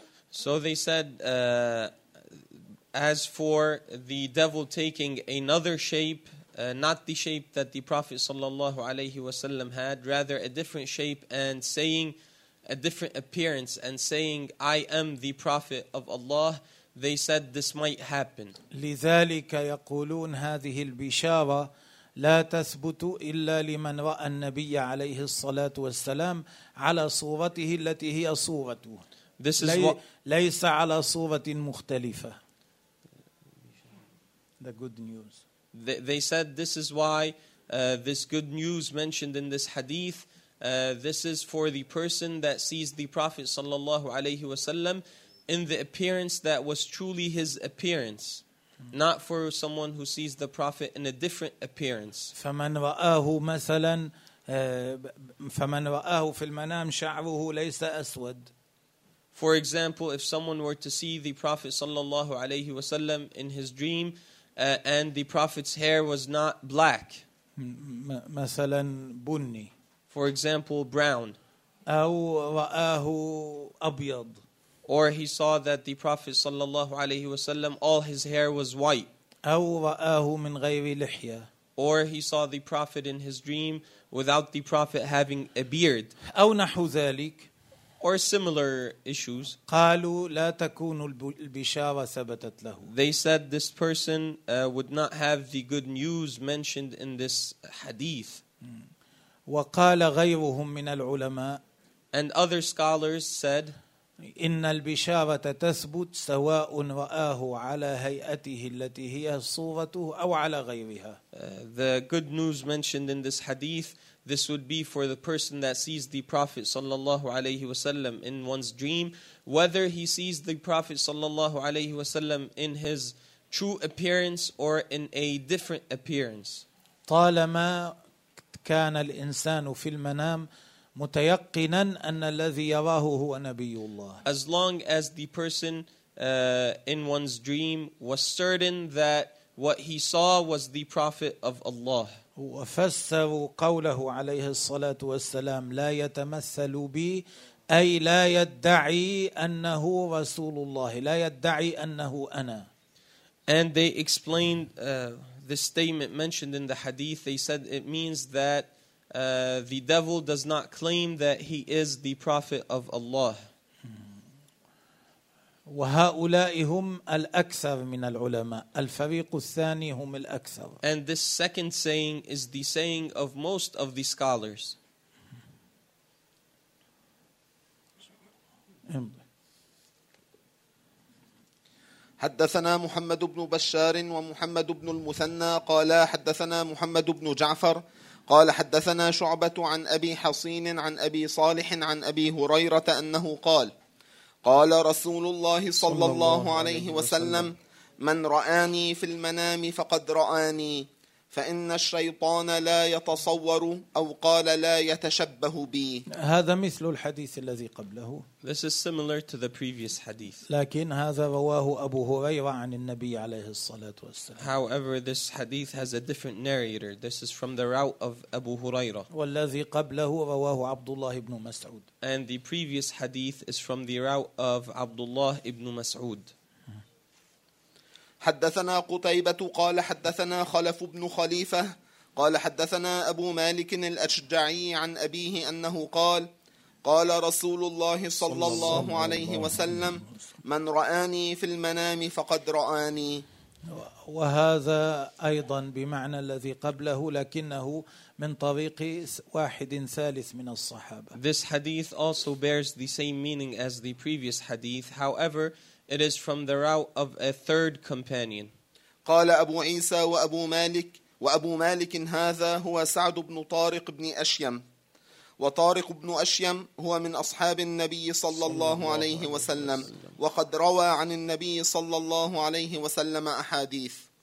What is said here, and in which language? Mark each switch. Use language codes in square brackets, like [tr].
[en] So they said as for the devil taking another shape, not the shape that the Prophet sallallahu alaihi wasallam had, rather a different shape and saying a different appearance and saying I am the Prophet of Allah, they said this might happen. [ar] لذلك يقولون هذه البشارة لا تثبت إلا لمن رأى النبي عليه الصلاة والسلام على صورته التي هي صورته. [en] This is what [ar] ليس على صورة مختلفة. [en] The good news. They said this is why this good news mentioned in this hadith This is for the person that sees the Prophet sallallahu alayhi wasallam in the appearance that was truly his appearance, not for someone who sees the Prophet in a different appearance. [ar] فمن رآه مثلا فمن رآه في المنام شعره ليس أسود. [en] For example, if someone were to see the Prophet sallallahu alayhi wasallam in his dream, and the Prophet's hair was not black. [ar] مثلا بني. [en] For example, brown. [ar] أو رآه أبيض. [en] Or he saw that the Prophet sallallahu alayhi wasallam, all his hair was white. [ar] أو رآه من غير لحية. [en] Or he saw the Prophet in his dream without the Prophet having a beard. [ar] أو نحو ذلك. [en] Or similar issues. [ar] قالوا لا تكون البشارة ثبتت له. [en] They said this person would not have the good news mentioned in this hadith. [ar] وقال غيرهم من العلماء. [en] And other scholars said, [ar] إن البشارة تثبت سواء رآه على هيئته التي هي صورته أو على غيرها. [en] The good news mentioned in this hadith, this would be for the person that sees the Prophet sallallahu alayhi wasallam in one's dream, whether he sees the Prophet sallallahu alayhi wasallam in his true appearance or in a different appearance. [ar] طالما كان الإنسان في المنام متيقنا أن الذي يراه هو نبي الله. [en] As long as the person in one's dream was certain that what he saw was the Prophet of Allah. [ar] وفسروا قوله عليه الصلاة والسلام لا يتمثل بي أي لا يدعي أنه رسول الله لا يدعي أنه أنا. [en] And they explained this statement mentioned in the hadith. They said it means that the devil does not claim that he is the Prophet of Allah. [ar] وهؤلاء هم الأكثر من العلماء. الفريق الثاني هم الأكثر. [en] And this second saying is the saying of most of the scholars. [ar] حدثنا محمد بن بشار ومحمد بن المثنى قال حدثنا محمد بن جعفر قال حدثنا شعبة عن أبي حصين عن أبي صالح عن أبي هريرة أنه قال قال رسول الله صلى الله عليه وسلم من رآني في المنام فقد رآني فإن الشيطان لا يتصور أو قال لا يتشبه بي. هذا مثل الحديث الذي قبله. [en] This is similar to the previous hadith. [ar] لكن هذا رواه أبو هريرة عن النبي عليه الصلاة والسلام. [en] However, this hadith has a different narrator. This is from the route of Abu Huraira. [ar] والذي قبله رواه عبد الله بن مسعود. [en] And the previous hadith is from the route of عبد الله بن مسعود. [ar] حدثنا قتيبة قال حدثنا خلف بن خليفة قال حدثنا أبو مالك الأشجعي عن أبيه أنه قال قال رسول الله صلى الله عليه وسلم من رآني في المنام فقد رآني. وهذا أيضا بمعنى الذي قبله لكنه من طريق واحد ثالث من الصحابة. [en] This hadith also bears the same meaning as the previous hadith. However, it is from the route of a third companion. [ar] قال أبو عيسى وأبو مالك وأبو مالك هذا هو سعد بن طارق بن أشيم وطارق بن أشيم هو من أصحاب النبي صلى الله عليه وسلم وقد روى عن النبي صلى الله عليه وسلم أحاديث.